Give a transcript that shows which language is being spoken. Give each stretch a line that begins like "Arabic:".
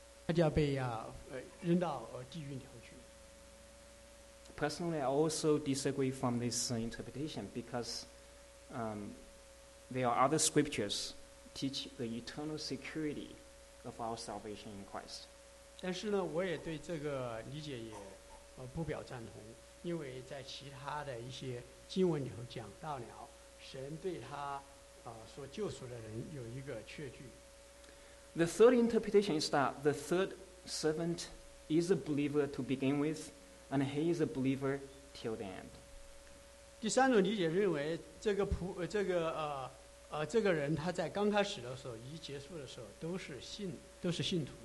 English: Personally, I also disagree from this interpretation because there are other scriptures teach the eternal security of our salvation in Christ.
Chinese: 但是呢，我也对这个理解也不表赞同，因为在其他的一些经文里头讲到了神对他所救赎的人有一个确据。
English: The third interpretation is that the third servant is a believer to begin with, and he is a believer till the end.
Chinese: 第三种理解认为，这个人他在刚开始的时候，一结束的时候，都是信徒。